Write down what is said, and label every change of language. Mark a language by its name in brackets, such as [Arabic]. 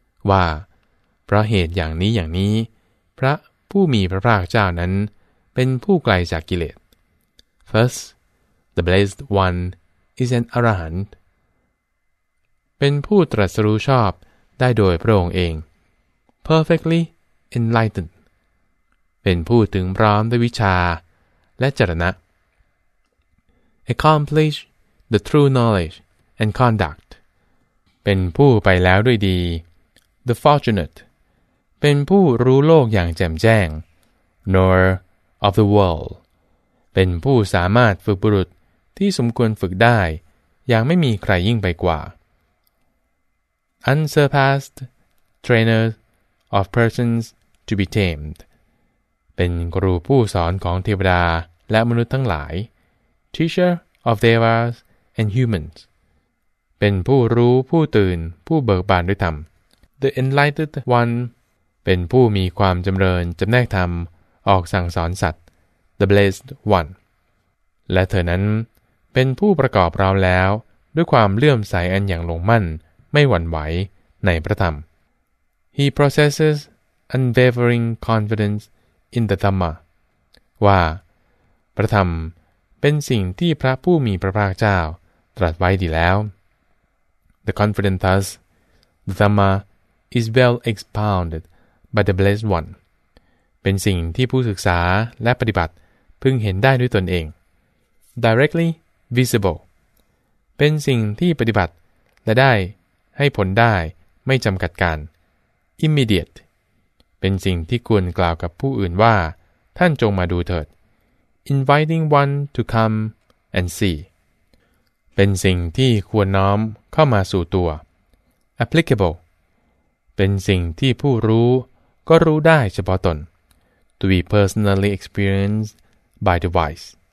[Thai] ว่าเพราะเหตุอย่างนี้อย่างนี้พระผู้มีพระภาคเจ้านั้นเป็นผู้ไกลจากกิเลส [English] Thus, the Blessed One is an Arahant. [Thai] เป็นผู้ตรัสรู้ชอบได้โดยพระองค์เอง [English] Perfectly enlightened. [Thai] เป็นผู้ถึงพร้อมด้วยวิชาและจรณะ [English] Accomplish the true knowledge and conduct. [Thai] เป็นผู้ไปแล้วด้วยดี [English] The Fortunate. [Thai] เป็นผู้รู้โลกอย่างแจ่มแจ้ง [English] Knower of the world. [Thai] เป็นผู้สามารถฝึกบุรุษที่สมควรฝึกได้อย่างไม่มีใครยิ่งไปกว่า [English] Unsurpassed trainer of persons to be tamed [Thai] เป็นครูผู้สอนของเทวดาและมนุษย์ทั้งหลาย [English] Teacher of devas and humans [Thai] เป็นผู้รู้ผู้ตื่นผู้เบิกบานด้วยธรรม [English] The enlightened one [Thai] เป็นผู้มีความจำเริญจำแนกธรรมออกสั่งสอนสัตว์ [English] The Blessed One [Thai] และเธอนั้นเป็นผู้ประกอบเราแล้วด้วยความเลื่อมใสอันอย่างลงมั่นไม่หวั่นไหวในพระธรรม [English] He processes unwavering confidence in the Dhamma [Thai] ว่าพระธรรมเป็นสิ่งที่พระผู้มีพระภาคเจ้าตรัสไว้ดีแล้ว [English] The confident thus the Dhamma is well expounded by the Blessed One [Thai] เป็นสิ่งที่ผู้ศึกษาและปฏิบัติพึงเห็นได้ด้วยตนเอง [English] directly visible เ [Thai] เป็นสิ่งที่ปฏิบัติและได้ให้ผลได้ไม่จำกัดการ immediate เป็นสิ่งที่ควรกล่าวกับผู้อื่นว่าท่านจงมาดูเถิด [English] inviting one to come and see [Thai] เป็นสิ่งที่ควรน้อมเข้ามาสู่ตัว [English] applicable [Thai] เป็นสิ่งที่ผู้รู้ก็รู้ได้เฉพาะตน [English] to be personally experienced by the wise